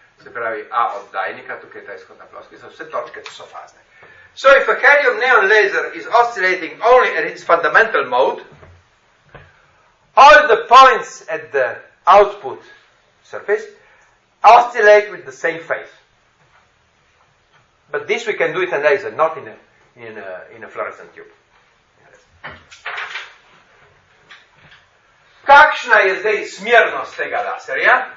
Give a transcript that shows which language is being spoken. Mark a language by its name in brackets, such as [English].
[Slovenian] Se pravi A oddajnika, tukaj je ta izhodna ploskvica, vse točke so fazne. [English] So if a helium neon laser is oscillating only at its fundamental mode, all the points at the output surface oscillate with the same phase. But this we can do it in laser, not in a fluorescent tube. [Slovenian] Kakšna je zdaj smernost tega laserja?